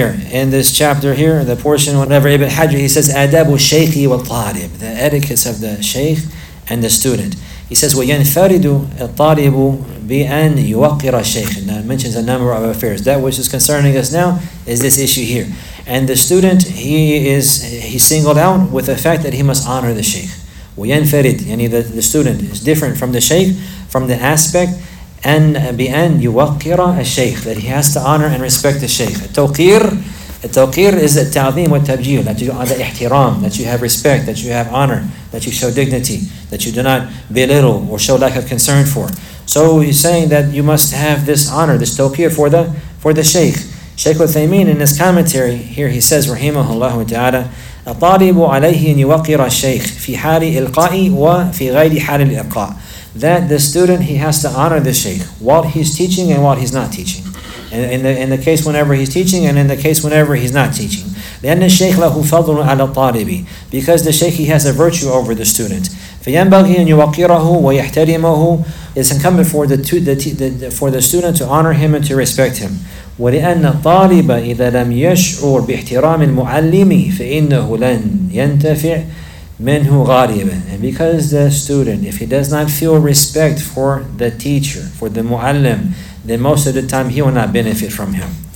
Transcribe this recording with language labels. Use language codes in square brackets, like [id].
[en] In this chapter here, the portion, whatever, Ibn Hajar, he says, Adabu Shaykhi wa Talib, the etiquettes of the Shaykh and the student. He says, [ar] وَيَنْفَرِدُ الطَّالِبُ بِأَنْ يُوَقِّرَ الشَّيْخٍ. [en] Now it mentions a number of affairs. That which is concerning us now is this issue here. And the student, he singled out with the fact that he must honor the Shaykh. [ar] وَيَنْفَرِدْ, [en] yani the student is different from the Shaykh, from the aspect, and [ar] بِأَنْ يُوَقِّرَ الشَّيْخ, [en] that he has to honor and respect the Shaykh. [ar] التوقير [en] is [ar] التعظيم والتبجيل, [en] that you honor, [ar] احترام, [en] that you have respect, that you have honor, that you show dignity, that you do not belittle or show lack of concern for. So he's saying that you must have this honor, this [ar] توقير [en] for the Shaykh. Shaykh Uthaymeen in his commentary here, he says, [ar] رحمه الله تعالى, الطالب عليه أن يوقر الشيخ في حال إلقاء وفي غير حال الإلقاء. [en] That the student, he has to honor the Shaykh while he's teaching and while he's not teaching. In the case whenever he's teaching and in the case whenever he's not teaching. [ar] لأن الشيخ له فضل على الطالب. [en] Because the Shaykh, he has a virtue over the student. [ar] فينبغي أن يوقره ويحترمه. [en] It's incumbent for the student to honor him and to respect him. [ar] وَلِأَنَّ الطَّالِبَ إِذَا لَمْ يَشْعُرْ بِإِحْتِرَامِ الْمُعَلِّمِ فَإِنَّهُ لَنْ يَنْتَفِعْ مِنْهُ غَالِبًا. [en] And because the student, if he does not feel respect for the teacher, for the muallim, then most of the time he will not benefit from him.